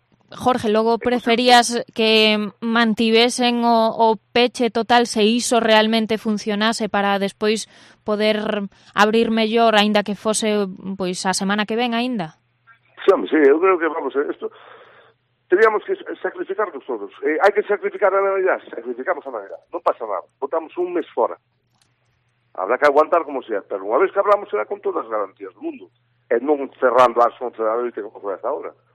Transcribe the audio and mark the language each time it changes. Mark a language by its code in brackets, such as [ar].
[gl] Jorge, logo preferías que mantivesen o peche total se iso realmente funcionase para despois poder abrir mellor, aínda que fose pois a semana que ven aínda? Sí, eu creo que vamos a isto. Teríamos que sacrificarnos todos. Hai que sacrificar a Navidad. Sacrificamos a Navidad. Non pasa nada. Botamos un mes fora. [es] Habrá que aguantar como sea. [gl] Pero unha vez que abramos será con todas as garantías do mundo. E non cerrando as 11 da noite como foi [es] hasta ahora.